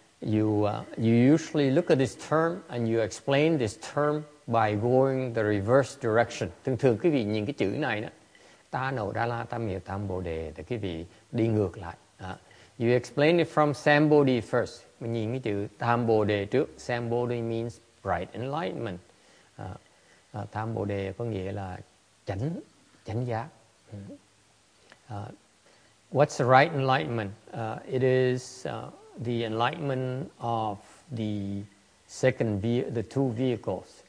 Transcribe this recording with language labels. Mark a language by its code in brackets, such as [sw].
[en] you usually look at this term and you explain this term by going the reverse direction. [vi] Thường thường quý vị nhìn cái chữ này đó, ta nổ ra la tam hiệu tam bồ đề, thì quý vị đi ngược lại. [en] You explain it from sambodhi first. [vi] Mình nhìn cái chữ tam bồ đề trước. [en] Sambodhi means bright enlightenment. [vi] Tam bồ đề có nghĩa là chánh, chánh giác. [en] What's the right enlightenment? It is the enlightenment of the second the two vehicles.